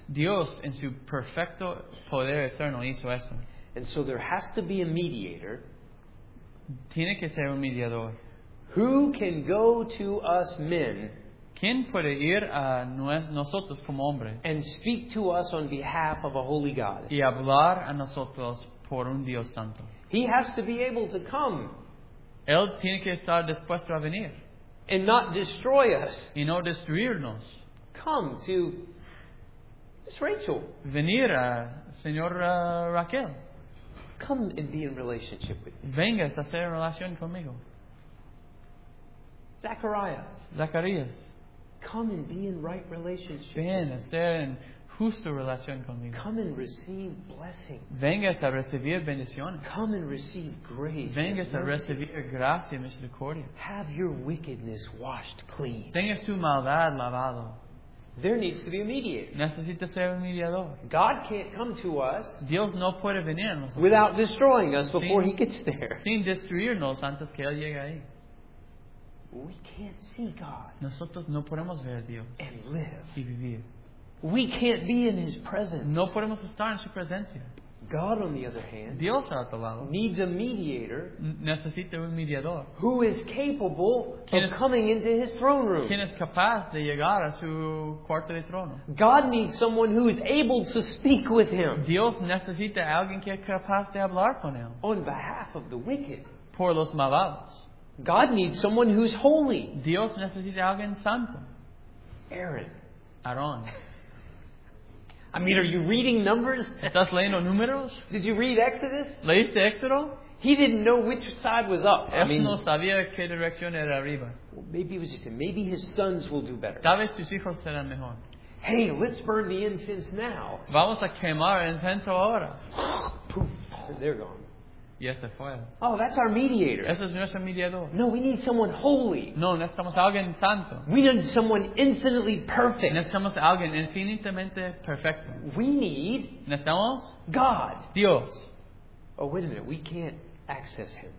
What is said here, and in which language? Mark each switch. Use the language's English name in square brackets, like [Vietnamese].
[Spanish] Dios en su perfecto poder eterno hizo esto. [English] And so there has to be a mediator. [Spanish] Tiene que ser un mediador. [English] Who can go to us men? [Spanish] ¿Quién puede ir a nosotros como hombres? [English] And speak to us on behalf of a holy God. [Spanish] Y hablar a nosotros por un Dios santo. [English] He has to be able to come. [Spanish] Él tiene que estar dispuesto a venir. [English] And not destroy us. [Spanish] Y no destruirnos. [English] Come to Miss Rachel. [Spanish] Venir a señora Raquel. [English] Come and be in relationship with me. [Spanish] Vengas a ser en relación conmigo. Zacarías. [English] Come and be in right relationship. [Spanish] Ven a ser en justa relación conmigo. [English] Come and receive blessing. [Spanish] Vengas a recibir bendiciones. [English] Come and receive grace. [Spanish] Vengas a recibir gracia y misericordia. [English] Have your wickedness washed clean. [Spanish] Tengas tu maldad lavado. [English] There needs to be a mediator. [Spanish] Necesita ser un mediador. [English] God can't come to us. [Spanish] Dios no puede venir a nosotros. [English] Without destroying us before He gets there. [Spanish] Sin destruirnos antes que Él llegue ahí. [English] We can't see God. [Spanish] Nosotros no podemos ver a Dios. [English] And live. [Spanish] Y vivir. [English] We can't be in His presence. [Spanish] No podemos estar en su presencia. [English] God, on the other hand, [Spanish] Dios, al otro lado, [English] needs a mediator. [Spanish] Necesita un mediador. [English] Who is capable of coming into His throne room? [Spanish] ¿Quién es capaz de llegar a su cuarto de trono? [English] God needs someone who is able to speak with Him. [Spanish] Dios necesita alguien que es capaz de hablar con Él. [English] On behalf of the wicked. [Spanish] Por los malvados. [English] God needs someone who is holy. [Spanish] Dios necesita alguien santo. [English] Aaron. I mean, are you reading Numbers? [Spanish] ¿Estás leyendo números? [English] Did you read Exodus? [Spanish] ¿Leíste Éxodo? [English] He didn't know which side was up. [Spanish] Él no sabía qué dirección era arriba. [English] Well, maybe it was just maybe his sons will do better. [Spanish] Tal vez sus hijos serán mejor. [English] Hey, let's burn the incense now. [Spanish] Vamos a quemar el incenso ahora. [English] Poof, they're gone. Yes, I fire. Oh, that's our mediator. [Spanish] Ese es nuestro mediador. [English] No, we need someone holy. [Spanish] No, necesitamos alguien santo. [English] We need someone infinitely perfect. [Spanish] Necesitamos alguien infinitamente perfecto. [English] We need. [Spanish] Necesitamos. [English] God. [Spanish] Dios. [English] Oh, wait a minute. We can't access Him.